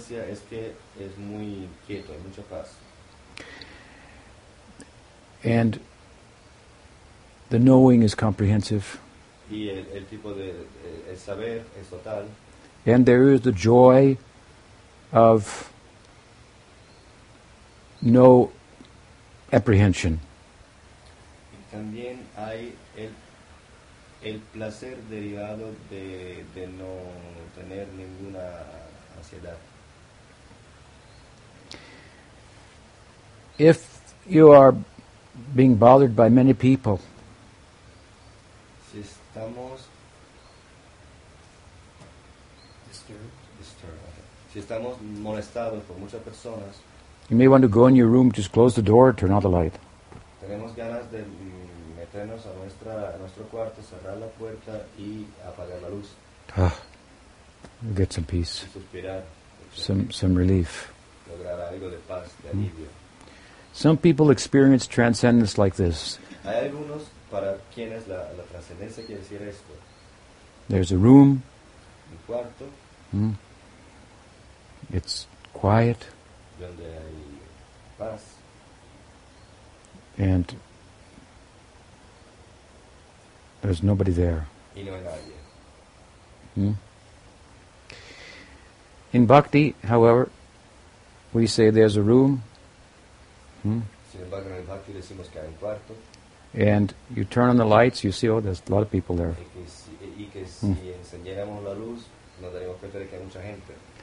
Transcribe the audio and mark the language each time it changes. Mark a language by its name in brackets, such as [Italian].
[Spanish] diferencia es que es muy quieto, hay mucha paz. [English] And the knowing is comprehensive. [Spanish] Y el tipo de el saber es total. [English] And there is the joy of no apprehension. [Spanish] Y también hay el placer derivado de no tener ninguna ansiedad. [English] If you are being bothered by many people, [Spanish] si estamos [English] disturbed. [Spanish] Si estamos molestados por muchas personas, [English] you may want to go in your room, just close the door, turn out the light. [Spanish] Tenemos ganas de meternos a nuestro cuarto, cerrar la puerta y apagar la luz. [English] Ah, we'll get some peace. [Spanish] Suspirar. [English] Some relief. [Spanish] Lograr algo de paz, de alivio. [English] Some people experience transcendence like this. [Spanish] Hay algunos para quienes la transcendencia quiere decir esto. [English] There's a room. [Spanish] Un cuarto. [English] It's quiet. [Spanish] Donde hay paz. [English] And there's nobody there. [Spanish] Y no hay nadie. [English] In bhakti, however, we say there's a room. [Spanish] Sin embargo, en el bhakti decimos que hay un cuarto. [English] And you turn on the lights, you see, oh, there's a lot of people there. [Spanish] Y que si encendiéramos la luz, nos daremos cuenta de que hay mucha gente.